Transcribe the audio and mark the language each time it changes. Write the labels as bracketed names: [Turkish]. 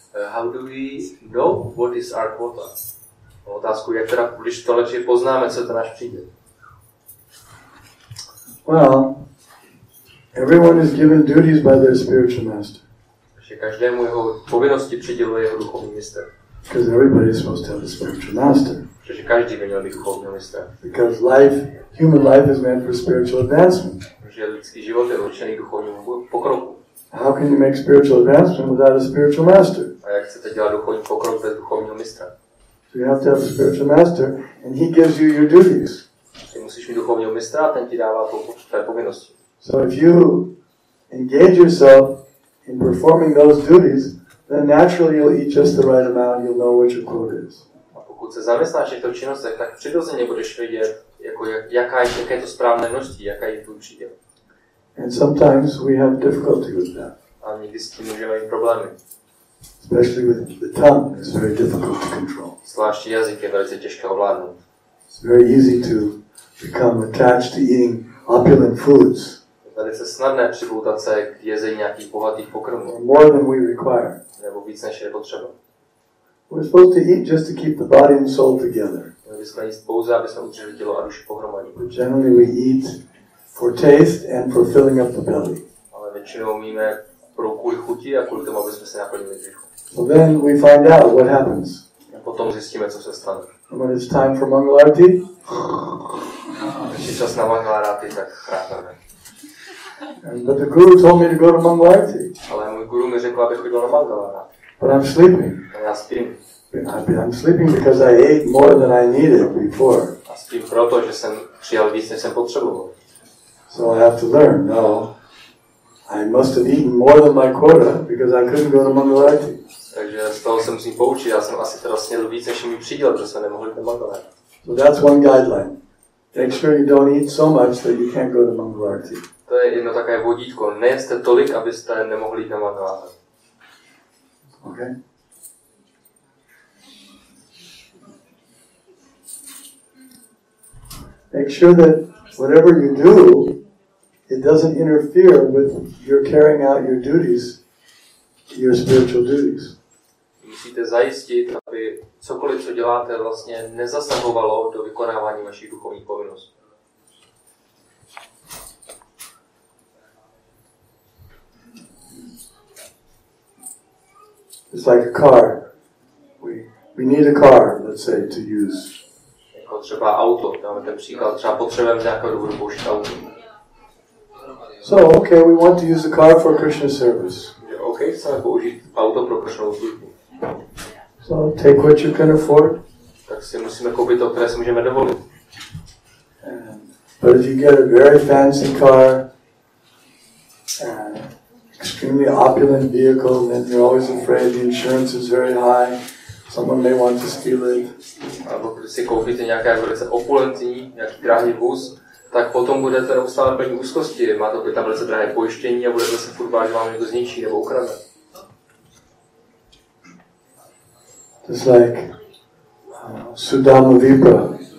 [English] How do we know what is our quota? [Czech] Otázku, jak teda, když to lepší poznáme, co to náš přijde? [English] Well, everyone is given duties by their spiritual master. [Czech] Že každému jeho povinnosti přiděluje jeho duchovní mistr. [English] Because everybody is supposed to have a spiritual master. [Czech] Protože každý by měl být duchovní mistr. [English] Because life, human life is meant for spiritual advancement. [Czech] Protože lidský život je určený duchovnímu pokroku. [English] How can you make spiritual advancement without a spiritual master? [Czech] A jak chcete dělat duchovní pokrok bez duchovního mistra? [English] So you have to have a spiritual master, and he gives you your duties. [Czech] Ty musíš mít duchovního mistra, a ten ti dává tvé povinnosti. [English] So if you engage yourself in performing those duties, then naturally you'll eat just the right amount, you'll know what your quota is. [Czech] A pokud se zaměstnáš v těchto činnostech, tak přirozeně budeš vědět, jaké je to správné množství, jaká je tvůj příděl. [English] And sometimes we have difficulty with that. [Czech] A někdy s tím můžeme mít problémy. [English] Especially with the tongue, it's very difficult to control. [Czech] Zvláštní jazyk je velice těžké ovládnout. [English] It's very easy to become attached to eating opulent foods. [Czech] Je velice snadné připoutat se k jezení nějakých bohatých pokrmů. [English] More than we require. [Czech] Nebo víc než je potřeba. [English] We're supposed to eat just to keep the body and soul together. [Czech] Měli jsme jíst pouze, aby jsme udrželi tělo a duši pohromadě. [English] But generally we eat for taste and for filling up the belly. [Czech] Ale většinou míme pro kvůli chuti a kvůli tomu, aby jsme se naplnili břicho. [English] So then we find out what happens. [Czech] A potom zjistíme, co se stane. [English] And when it's time for mangal arati. [Czech] Když je čas na mangal arati, tak chrápeme. [English] But the guru told me to go to mangal arati. [Czech] Ale můj guru mi řekl, abych chodil na mangal arati. [English] But I'm sleeping. [Czech] A já spím. [English] I'm sleeping because I ate more than I needed before. [Czech] A spím proto, že jsem přijal víc, než jsem potřeboval. [English] So I have to learn. No, I must have eaten more than my quota because I couldn't go to mangal arati. [Czech] Takže z toho jsem si poučil. Já jsem asi teda snědl víc, než mi přiděl, protože jsem nemohl jít na mangal arati. [English] So that's one guideline. Make sure you don't eat so much that you can't go to Mangalarti. [Czech] To je jedno takové vodítko. Nejeste tolik, abyste nemohli jít na Mangalarti. [English] Okay. Make sure that whatever you do, it doesn't interfere with your carrying out your duties, your spiritual duties. [Czech] Musíte zajistit, aby cokoliv, co děláte, vlastně nezasahovalo do vykonávání vašich duchovních povinností. [English] It's like a car. We need a car, let's say, to use. [Czech] Jako třeba auto, dáme ten příklad, třeba potřebujeme z nějakého důvodu použít auto. [English] So, okay, we want to use a car for Krishna service. [Czech] Okay, chceme použít auto pro Krishna službu. [English] So, take what you can afford. [Czech] Tak si musíme koupit to, které si můžeme dovolit. [English] But if you get a very fancy car, extremely opulent vehicle, then you're always afraid the insurance is very high. Someone may want to steal it. [Czech] Alebo když si koupíte nějaké velice opulentní, nějaký drahý vůz, tak potom budete neustále plní úzkosti. Má to být velice drahé pojištění a budete se furt bát, že vám někdo zničí nebo ukradne. [English] It's like Sudama Vipra.